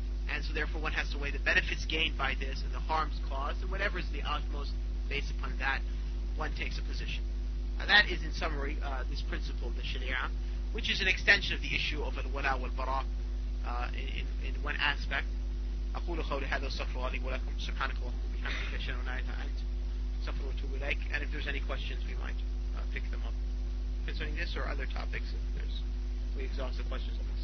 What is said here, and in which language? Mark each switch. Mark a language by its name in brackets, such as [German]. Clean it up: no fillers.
[English] And so therefore one has to weigh the benefits gained by this and the harms caused, and whatever is the utmost based upon that, one takes a position. Now that is, in summary, this principle of the Sharia, which is an extension of the issue of al-wala wal-bara in one aspect. [Arabic] أقول قولي هذا وأستغفر الله ولكم سبحانك اللهم وبحمدك أشهد أن لا إله إلا أنت أستغفر الله وأتوب إليك. [English] And if there's any questions, we might pick them up concerning this or other topics, if there's, we exhaust the questions.